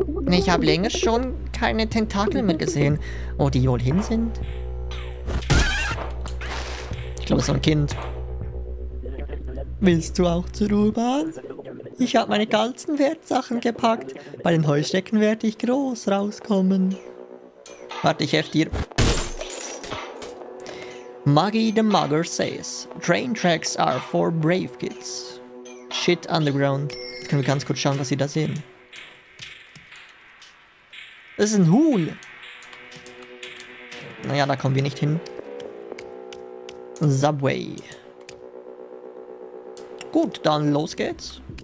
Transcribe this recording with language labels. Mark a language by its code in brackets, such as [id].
[de] Ich habe länger schon keine Tentakel mehr gesehen. Wo die wohl hin sind? Ich glaube, es ist ein Kind. Willst du auch zur U-Bahn? Ich habe meine ganzen Wertsachen gepackt. Bei den Heuschrecken werde ich groß rauskommen. Warte, ich helfe dir. [en] Maggie the Mugger says, Train tracks are for brave kids. Shit underground. [de] Jetzt können wir ganz kurz schauen, was sie da sehen. Das ist ein Huhn. Naja, da kommen wir nicht hin. [en] Subway. [de] Gut, dann los geht's.